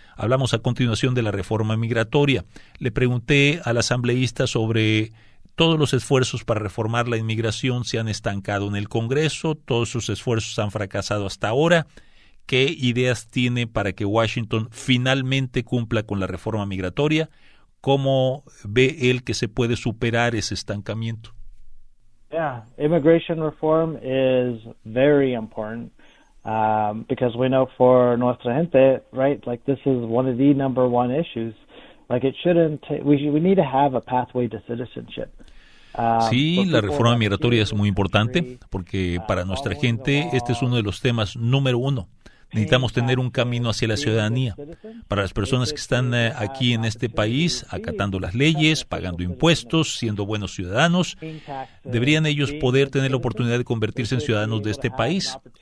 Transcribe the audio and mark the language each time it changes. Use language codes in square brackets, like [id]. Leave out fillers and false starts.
[es] Hablamos a continuación de la reforma migratoria. Le pregunté al asambleísta sobre todos los esfuerzos para reformar la inmigración se han estancado en el Congreso, todos sus esfuerzos han fracasado hasta ahora. ¿Qué ideas tiene para que Washington finalmente cumpla con la reforma migratoria? ¿Cómo ve él que se puede superar ese estancamiento? [en] Yeah, immigration reform is very important because we know for [es] nuestra gente, [en] right? Like this is one of the number one issues. Like it shouldn't. We need to have a pathway to citizenship. [es] Sí, la reforma migratoria es muy importante porque para nuestra gente este es uno de los temas número uno. Necesitamos tener un camino hacia la ciudadanía. Para las personas que están aquí en este país, acatando las leyes, pagando impuestos, siendo buenos ciudadanos, deberían ellos poder tener la oportunidad de convertirse en ciudadanos de este país.